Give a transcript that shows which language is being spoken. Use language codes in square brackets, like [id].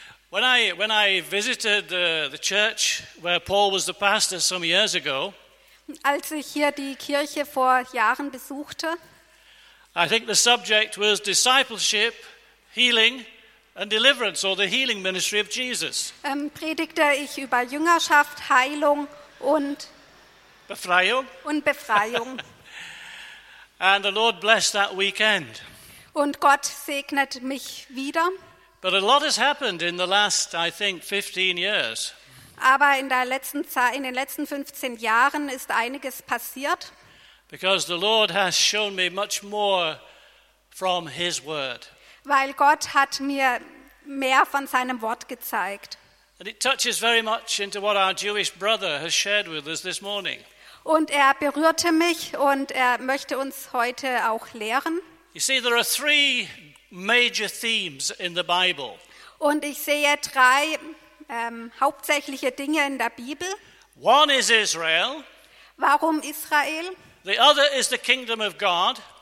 [en] When I visited the church where Paul was the pastor some years ago. [de] Als ich hier die Kirche vor Jahren besuchte. [en] I think the subject was discipleship, healing. And deliverance or the healing ministry of Jesus. [de] Predigte ich über Jüngerschaft, Heilung und Befreiung. Und Befreiung. [en] And the Lord blessed that weekend. [de] Und Gott segnet mich wieder. [en] But a lot has happened in the last, I think, 15 years. [de] Aber in den letzten 15 Jahren ist einiges passiert. [en] Because the Lord has shown me much more from His Word. [de] Weil Gott hat mir mehr von seinem Wort gezeigt. [en] And it touches very much into what our Jewish brother has shared with us this morning. [de] Und er berührte mich und er möchte uns heute auch lehren. [en] You see, there are three major themes in the Bible. [de] Und ich sehe drei hauptsächliche Dinge in der Bibel. [en] One is Israel. [de] Warum Israel? [en] The other is the kingdom of God.